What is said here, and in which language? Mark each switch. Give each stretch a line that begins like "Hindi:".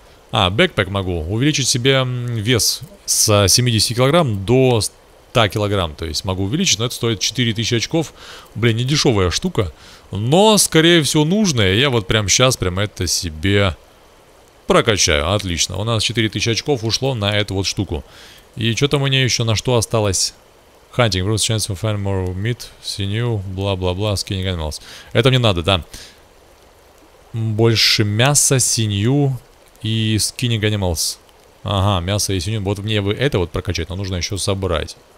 Russian: А, backpack могу. Увеличить себе вес с 70 килограмм до 100 килограмм. То есть могу увеличить, но это стоит 4000 очков. Блин, не дешевая штука. Но, скорее всего, нужная. Я вот прямо сейчас прямо это себе прокачаю. Отлично. У нас 4000 очков ушло на эту вот штуку. И что там у меня еще на что осталось?
English: Hunting, bruce chance to find more meat, sinew, бла-бла-бла, skinning animals.
Russian: Это мне надо, да. Больше мяса, sinew и
English: skinning animals.
Russian: Ага, мясо и sinew. Вот мне бы это вот прокачать, но нужно еще собрать.